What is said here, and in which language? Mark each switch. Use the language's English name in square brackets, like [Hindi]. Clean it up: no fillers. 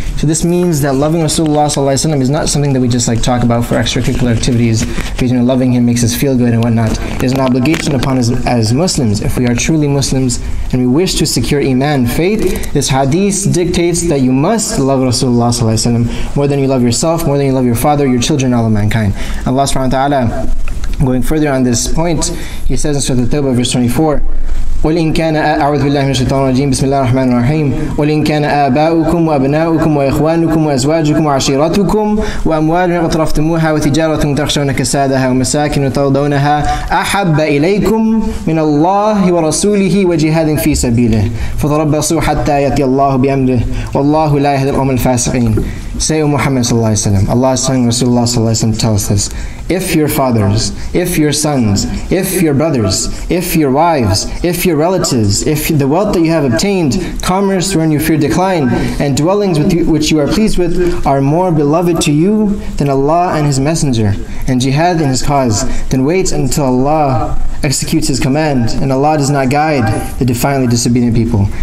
[English] So this means that loving Rasulullah sallallahu alayhi wa sallam is not something that we just like talk about for extracurricular activities, because, you know, loving him makes us feel good and whatnot. It's an obligation upon us as Muslims. If we are truly Muslims and we wish to secure iman, faith, this hadith dictates that you must love Rasulullah sallallahu alayhi wa sallam more than you love yourself, more than you love your father, your children, all of mankind. Allah subhanahu wa ta'ala, going further on this point, he says in Surah Al-Tawbah, verse 24, [Arabic] وَلِنْ كَانَ أَعُوذُ بِاللَّهِ مِنَ الشَّيْطَانِ الرَّجِيمِ بِسْمِ اللَّهِ الرَّحْمَنِ الرَّحِيمِ وَلِنْ كَانَ آبَاؤُكُمْ وَأَبْنَاؤُكُمْ وَإِخْوَانُكُمْ وَأَزْوَاجُكُمْ وَعَشِيرَتُكُمْ وَأَمْوَالٌ اقْتَرَفْتُمُوهَا وَتِجَارَةٌ تَخْشَوْنَ كَسَادَهَا وَمَسَاكِنُ تَرْضَوْنَهَا أَحَبَّ إِلَيْكُمْ مِنَ اللَّهِ وَرَسُولِهِ وَجِهَادٍ فِي سَبِيلِهِ فَتَرَبَّصُوا حَتَّى يَأْتِيَ اللَّهُ بِأَمْرِهِ وَاللَّهُ لَا يَهْدِي الْقَوْمَ الْفَاسِقِينَ. [English] Say, O Muhammad sallallahu alayhi wa sallam, Allah's son, Rasulullah sallallahu alayhi wa sallam tells us, if your fathers, if your sons, if your brothers, if your wives, if your relatives, if the wealth that you have obtained, commerce wherein you fear decline, and dwellings with you, which you are pleased with, are more beloved to you than Allah and His Messenger, and jihad in His cause, then wait until Allah executes His command, and Allah does not guide the defiantly disobedient people.